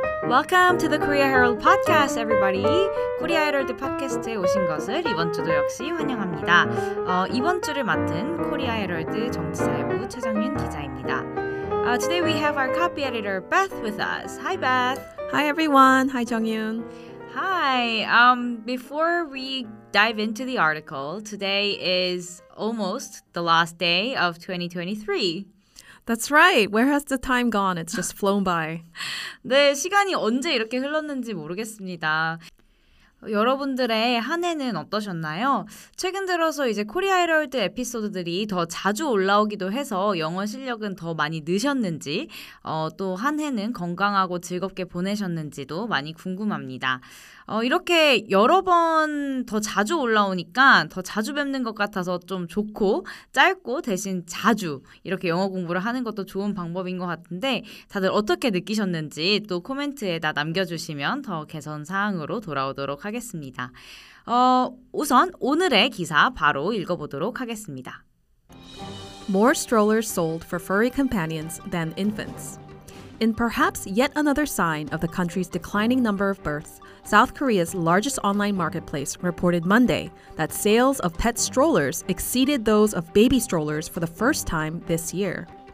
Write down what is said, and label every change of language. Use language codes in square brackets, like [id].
[en] Welcome to the Korea Herald Podcast, everybody. [ko] 코리아 헤럴드 팟캐스트에 오신 것을 이번 주도 역시 환영합니다. 이번 주를 맡은 코리아 헤럴드 정치사회부 최정윤 기자입니다. [en] Today we have our copy editor Beth with us. Hi, Beth. Hi, everyone. Hi, 정윤. Hi. Before we dive into the article, today is almost the last day of 2023. That's right. Where has the time gone? It's just flown by. [ko] 네, 시간이 언제 이렇게 흘렀는지 모르겠습니다. 여러분들의 한 해는 어떠셨나요? 최근 들어서 이제 코리아 헤럴드 에피소드들이 더 자주 올라오기도 해서 영어 실력은 더 많이 느셨는지 또 한 해는 건강하고 즐겁게 보내셨는지도 많이 궁금합니다. 이렇게 여러 번 더 자주 올라오니까 더 자주 뵙는 것 같아서 좀 좋고 짧고 대신 자주 이렇게 영어 공부를 하는 것도 좋은 방법인 것 같은데 다들 어떻게 느끼셨는지 또 코멘트에다 남겨주시면 더 개선 사항으로 돌아오도록 하겠습니다. 우선 오늘의 기사 바로 읽어보도록 하겠습니다. [en] More strollers sold for furry companions than infants. In perhaps yet another sign of the country's declining number of births, South Korea's largest online marketplace reported Monday that sales of pet strollers exceeded those of baby strollers for the first time this year.